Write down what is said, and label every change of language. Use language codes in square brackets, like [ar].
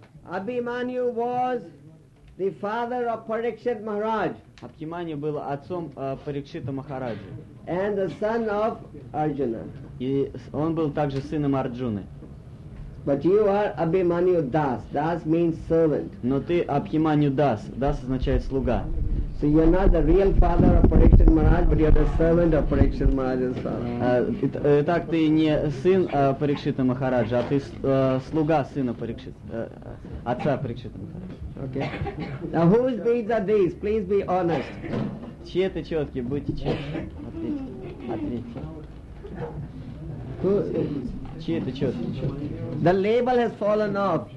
[en] Abhimanyu was the father of Parikshit Maharaj. [ru] Abhimanyu был отцом Парикшита Махараджи. [en] And the son of Arjuna. [ru] И он был также сыном Арджуны. [en] But you are Abhimanyu Das. Das means servant. [ru] Но ты Абхиманию Дас. Дас означает слуга. [en] So you're not the real father of Parikshit Maharaj, but you're the servant of Parikshit Maharaj's father. [ru] Итак, ты не сын Парикшита Махараджа, а ты слуга сына Парикшита, отца Парикшита Махараджа. [en] Okay. Now whose beads are these? Please be honest. [ru] Чьи это четки? Будьте честны. Ответьте. Чьи это четки? [en] The label has fallen off.